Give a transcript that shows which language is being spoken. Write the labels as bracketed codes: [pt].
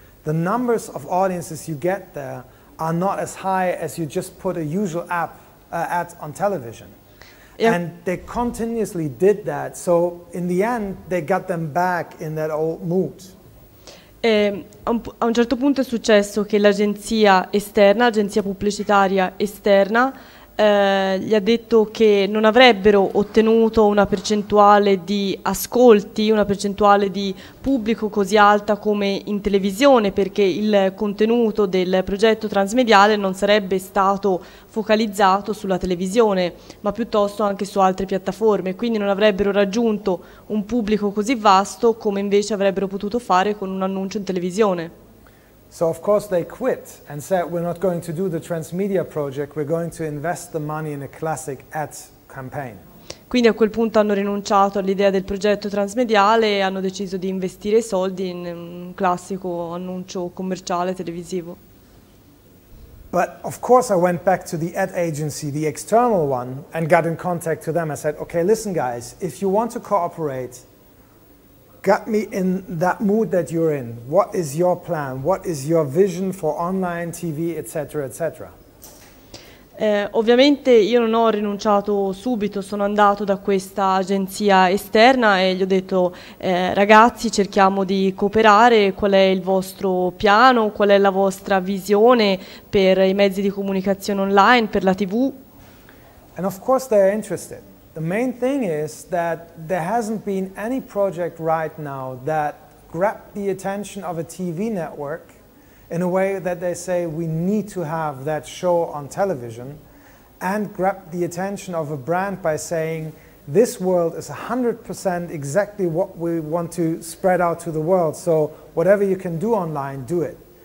[en] the numbers of audiences you get there are not as high as you just put a usual app ad on television. Yep. And they continuously did that, so in the end they got them back in that old mood. [it] A un certo punto è successo che l'agenzia esterna, l'agenzia pubblicitaria esterna, gli ha detto che non avrebbero ottenuto una percentuale di ascolti, una percentuale di pubblico così alta come in televisione, perché il contenuto del progetto transmediale non sarebbe stato focalizzato sulla televisione, ma piuttosto anche su altre piattaforme, quindi non avrebbero raggiunto un pubblico così vasto come invece avrebbero potuto fare con un annuncio in televisione. [en] So of course they quit and said, we're not going to do the transmedia project, we're going to invest the money in a classic ad campaign. [it] Quindi a quel punto hanno rinunciato all'idea del progetto transmediale e hanno deciso di investire i soldi in un classico annuncio commerciale televisivo. [en] But of course I went back to the ad agency, the external one, and got in contact to them. I said, okay, listen guys, if you want to cooperate, got me in that mood that you're in. What is your plan? What is your vision for online TV, etc., etc.? [it] Ovviamente io non ho rinunciato subito, sono andato da questa agenzia esterna e gli ho detto ragazzi, cerchiamo di cooperare, qual è il vostro piano, qual è la vostra visione per i mezzi di comunicazione online, per la TV? [en] And of course they're interested. The main thing is that there hasn't been any project right now that grabbed the attention of a TV network in a way that they say we need to have that show on television, and grabbed the attention of a brand by saying this world is 100% exactly what we want to spread out to the world, so whatever you can do online, do it.